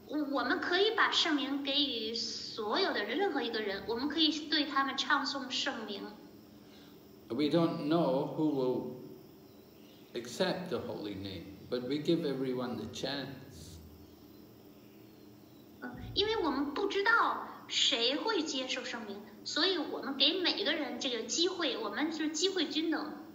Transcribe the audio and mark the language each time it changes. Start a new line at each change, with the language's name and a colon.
Chinese: 我们可以把圣名给予所有的任何一个人，我们可以对他们唱诵圣名。
English: We don't know who will accept the holy name, but we give everyone the chance.
Chinese: 因为我们不知道谁会接受圣名，所以我们给每个人这个机会，我们是机会均等。